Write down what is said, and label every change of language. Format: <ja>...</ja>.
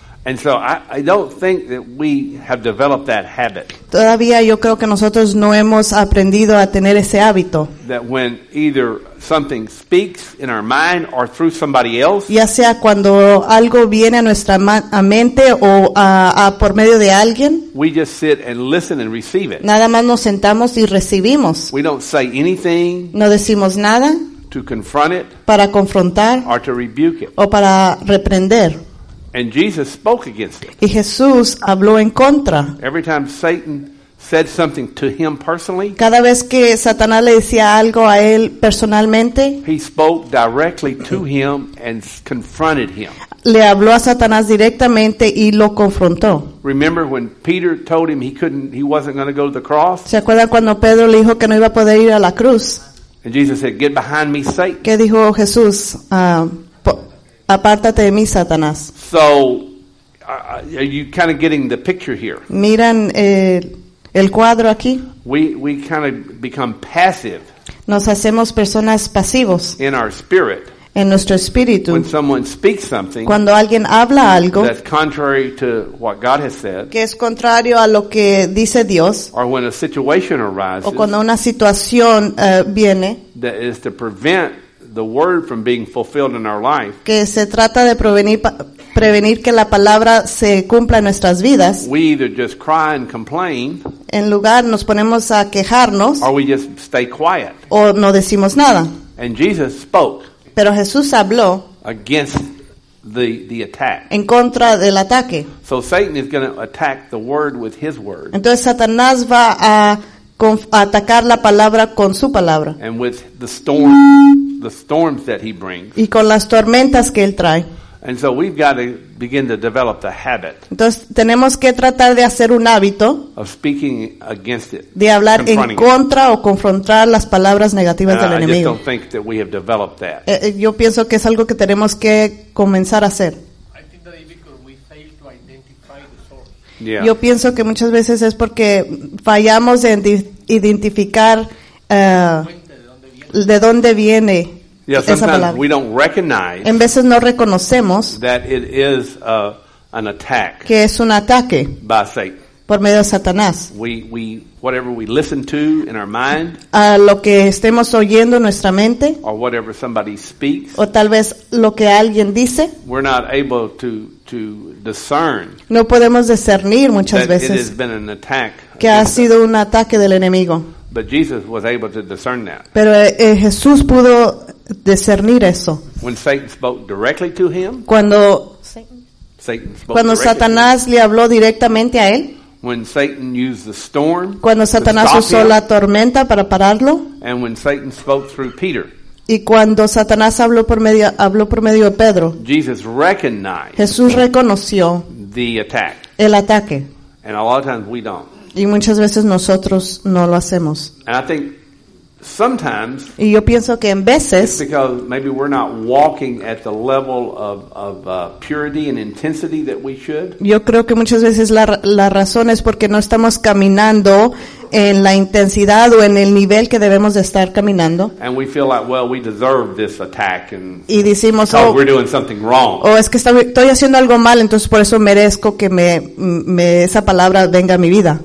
<en>And so I don't think that we have developed that habit.</en> <es>Todavía yo creo que nosotros no hemos aprendido a tener ese hábito.</es> <en>That when either something speaks in our mind or through somebody else.</en> <es>Ya sea cuando algo viene a nuestra mente o a por medio de alguien.</es> <en>We just sit and listen and receive it.</en> <es>Nada más nos sentamos y recibimos.</es> <en>We don't say anything.</en> <es>No decimos nada.</es> <en>To confront it.</en> <es>Para confrontar.</es> <en>Or to rebuke it.</en> <es>O para reprender.</es> <en>And Jesus spoke against it.</en> <es>Y Jesús habló en contra.</es> <en>Every time Satan said something to him personally,</en> <es>cada vez que Satanás le decía algo a él personalmente,</es> <en>he spoke directly to him and confronted him.</en> <es>Le habló a Satanás directamente y lo confrontó.</es> <en>Remember when Peter told him he wasn't going to go to the cross?</en> <es>¿Se acuerdan cuando Pedro le dijo que no iba a poder ir a la cruz?</es> <en>And Jesus said, "Get behind me, Satan."</en> <es>¿Qué dijo Jesús? Apártate de mí, Satanás.</es> <en>So, are you kind of getting the picture here?</en> <es>Miran el cuadro aquí.</es> <en>We kind of become passive.</en> <es>Nos hacemos personas pasivos.</es> <en>In our spirit.</en> <es>En nuestro espíritu.</es> <en>When someone speaks something.</en> <es>Cuando alguien habla algo.</es> <en>That's contrary to what God has said.</en> <es>Que es contrario a lo que dice Dios.</es> <en>Or when a situation arises.</en> <es>O cuando una situación viene.</es> <en>That is to prevent the word from being fulfilled in our life.</en> <es>Que se trata de prevenir que la palabra se cumpla en nuestras vidas.</es> <en>We either just cry and complain.</en> <es>En lugar nos ponemos a quejarnos.</es> <en>Or we just stay quiet.</en> <es>O no decimos nada.</es> <en>And Jesus spoke.</en> <es>Pero Jesús habló.</es> <en>Against the attack.</en> <es>En contra del ataque.</es> <en>So Satan is going to attack the word with his word.</en> <es>Entonces Satanás va a atacar la palabra con su palabra.</es> <en>And with the storm. The storms that he brings.</en> <es>Y con las tormentas que él trae.</es> <en>And so we've got to begin to develop the habit.</en> <es>Entonces tenemos que tratar de hacer un hábito.</es> <en>Of speaking against it.</en> <es>De hablar en contra o confrontar las palabras negativas del enemigo.</es> <en>I just don't think that we have developed that.</en> <es>Yo pienso que es algo que tenemos que comenzar a hacer.</es> <en>I think that is because we fail to identify the source. Yeah.</en> <es>Yo pienso que muchas veces es porque fallamos en identificar de dónde viene esa palabra.</es> <en>We don't recognize,</en> <es>en veces no reconocemos,</es> <en>that it is an attack,</en> <es>que es un ataque</es> <en>by Satan,</en> <es>por medio de Satanás.</es> <en>We whatever we listen to in our mind,</en> <es>a lo que estemos oyendo en nuestra mente,</es> <en>or whatever somebody speaks,</en> <es>o tal vez lo que alguien dice,</es> <en>we're not able to discern,</en> <es>no podemos discernir muchas</es> <en>that</en> <es>veces</es> <en>it has been an attack</en> <es>que ha sido un ataque del enemigo.</es> <en>But Jesus was able to discern that.</en> <es>Pero Jesús pudo discernir eso.</es> <en>When Satan spoke directly to him.</en> <es>Cuando</es> <en>Satan spoke</en> <es>cuando Satanás le habló directamente a él.</es> <en>When Satan used the storm.</en> <es>Cuando Satanás usó la tormenta para pararlo.</es> <en>And when Satan spoke through Peter.</en> <es>Y cuando Satanás habló por medio de Pedro.</es> <en>Jesus recognized.</en> <es>Jesús reconoció</es> <en>the attack.</en> <es>El ataque.</es> <en>And a lot of times we don't.</en> <es>Y muchas veces nosotros no lo hacemos.</es> <en>And I think sometimes,</en> <es>y yo pienso que en veces,</es> <en>it's because maybe we're not walking at the level of purity and intensity that we should.</en> <es>Yo creo que muchas veces la razón es porque no estamos caminando en la intensidad o en el nivel que debemos de estar caminando.</es> <en>And we feel like, well, we deserve this attack, and</en> <es>y decimos,</es> <en>oh, we're doing something wrong.</en> <es>O es que estoy haciendo algo mal, entonces por eso merezco que me esa palabra venga a mi vida.</es>